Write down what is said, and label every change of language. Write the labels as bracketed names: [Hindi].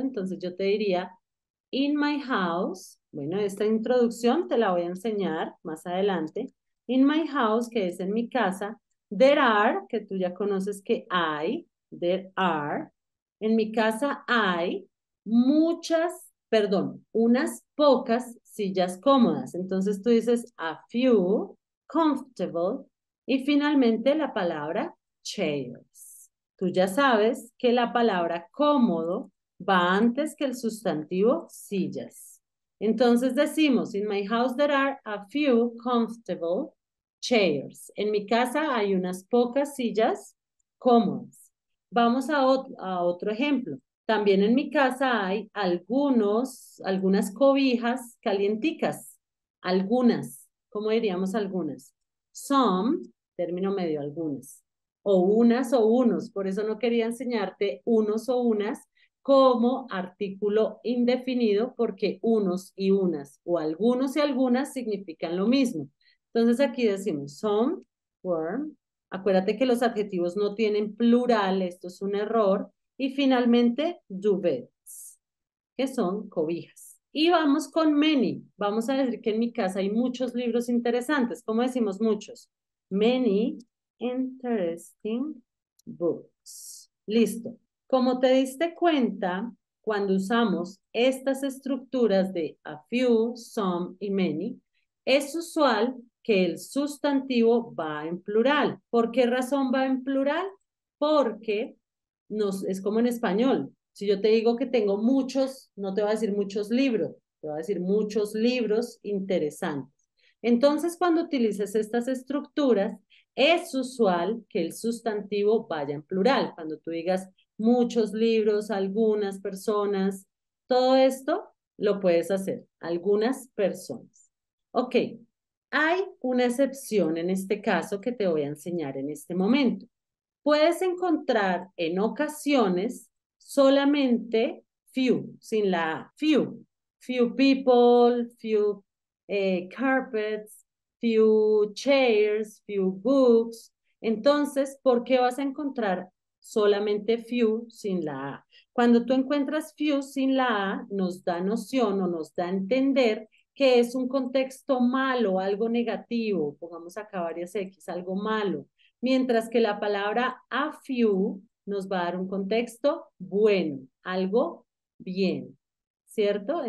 [Spanish] Entonces yo te diría, [English] in my house, [Spanish] bueno, esta introducción te la voy a enseñar más adelante. [English] In my house, [Spanish] que es en mi casa, [English] there are, [Spanish] que tú ya conoces que hay, [English] there are, [Spanish] en mi casa hay muchas, perdón, unas pocas sillas cómodas. Entonces tú dices, [English] a few comfortable. [Spanish] Y finalmente la palabra chairs. Tú ya sabes que la palabra cómodo va antes que el sustantivo sillas. Entonces decimos, [English] in my house there are a few comfortable chairs. [Spanish] En mi casa hay unas pocas sillas cómodas. Vamos a otro ejemplo. También en mi casa hay algunas cobijas calienticas. Algunas, ¿cómo diríamos algunas? Some. Término medio, algunas, o unas o unos, por eso no quería enseñarte unos o unas, como artículo indefinido porque unos y unas o algunos y algunas significan lo mismo. Entonces aquí decimos some, were. Acuérdate que los adjetivos no tienen plural, esto es un error. Y finalmente, duvets, que son cobijas. Y vamos con many. Vamos a decir que en mi casa hay muchos libros interesantes. ¿Cómo decimos muchos? [English] Many interesting books. [Spanish] Listo. Como te diste cuenta, cuando usamos estas estructuras de a few, some y many, es usual que el sustantivo va en plural. ¿Por qué razón va en plural? Porque nos, es como en español. Si yo te digo que tengo muchos, no te voy a decir muchos libros, te voy a decir muchos libros interesantes. Entonces, cuando utilices estas estructuras, es usual que el sustantivo vaya en plural. Cuando tú digas muchos libros, algunas personas, todo esto lo puedes hacer, algunas personas. Ok, hay una excepción en este caso que te voy a enseñar en este momento. Puedes encontrar en ocasiones solamente few, sin la A. [English] Few, few people, few carpets, few chairs, few books. [Spanish] Entonces, ¿por qué vas a encontrar solamente few sin la A? Cuando tú encuentras few sin la A, nos da noción o nos da a entender que es un contexto malo, algo negativo, pongamos acá varias X, algo malo. Mientras que la palabra a few nos va a dar un contexto bueno, algo bien, ¿cierto?